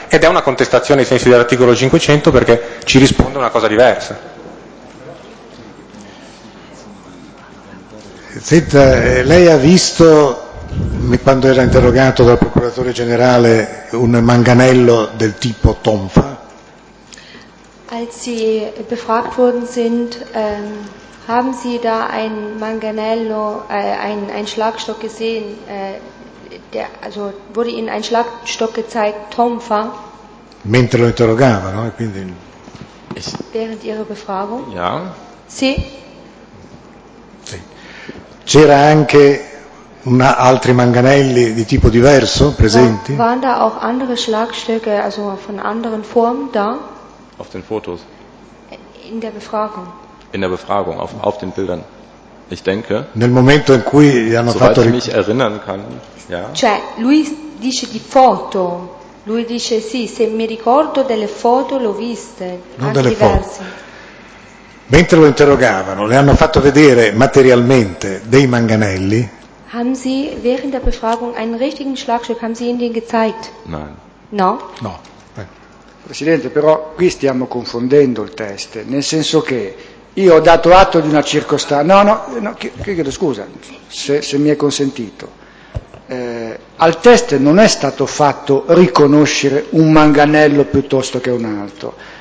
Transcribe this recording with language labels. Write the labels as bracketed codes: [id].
[it] Ed è una contestazione ai sensi dell'articolo 500 perché ci risponde una cosa diversa. Senta, lei ha visto, quando era interrogato dal procuratore generale, un manganello del tipo tonfa? [de] Als Sie befragt worden sind, haben Sie da ein manganello, ein Schlagstock gesehen, der, also wurde Ihnen ein Schlagstock gezeigt, tonfa? [it] Mentre lo interrogava, no? E quindi. [de] Während Ihrer Befragung? Ja. [it] Sì. Sì. C'era anche altri manganelli di tipo diverso presenti? [de] Waren da auch andere Schlagstöcke, also von anderen Formen da? Auf den Fotos. In der Befragung. In der Befragung, auf den Bildern. Ich denke. [it] Nel momento in cui hanno fatto. [de] Soweit ich mich erinnern kann, ja. [it] Cioè, lui dice di foto. Lui dice sì, se mi ricordo delle foto l'ho viste, non delle foto. Mentre lo interrogavano, le hanno fatto vedere materialmente dei manganelli? [de] Haben Sie während der Befragung einen richtigen Schlagstock, haben Sie ihn den gezeigt? Nein. [it] No? No. Presidente, però qui stiamo confondendo il test, nel senso che io ho dato atto di una circostanza. No, chiedo scusa, se mi è consentito. Al test non è stato fatto riconoscere un manganello piuttosto che un altro.